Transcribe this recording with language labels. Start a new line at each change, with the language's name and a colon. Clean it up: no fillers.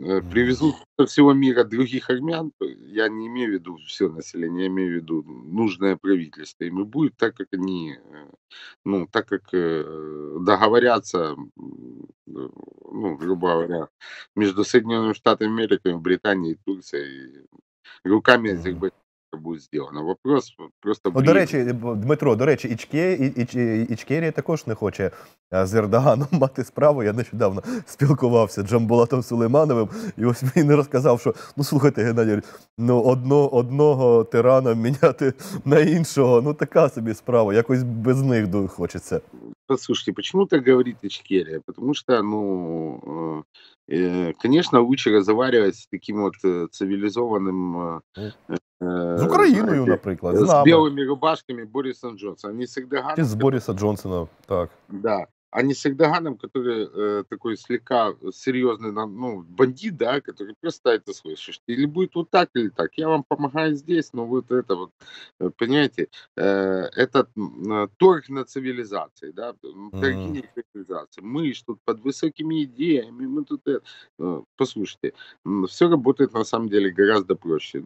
Russian: Привезут со всего мира других армян, я не имею в виду все население, я имею в виду нужное правительство. Им и будет так, как они, ну, так как договорятся, ну, грубо говоря, между Соединенными Штатами Америки, Британией и Турцией, руками Азербайджана.
Ukrainian: Буде зроблено.
Russian: Вопрос просто...
Ukrainian: О, до речі, Дмитро, до речі, Ічкерія також не хоче з Ердоганом мати справу. Я нещодавно спілкувався з Джамбулатом Сулеймановим, і ось він розказав, що, ну, слухайте, Геннадій, ну, одного тирана міняти на іншого, ну, така собі справа, якось без них хочеться. Послушайте, чому так говорить Ічкерія? Тому що, ну, звісно, лучше розговорювати з таким от цивілізованим... З Україною, наприклад, з нами. Білими рубашками Бориса Джонсона. А не з Ердоганом. Із Бориса Джонсона, так. Да. А не з Ердоганом, який такий слегка серйозний, ну, бандит, да, який просто це слышиш.
Russian: Или буде вот так, или так. Я вам помогаю здесь, но вот это вот, понимаете, этот торг на цивилизации, да, торги на цивилизации. Мы тут под высокими идеями, мы тут, послушайте, все работает на самом деле гораздо проще.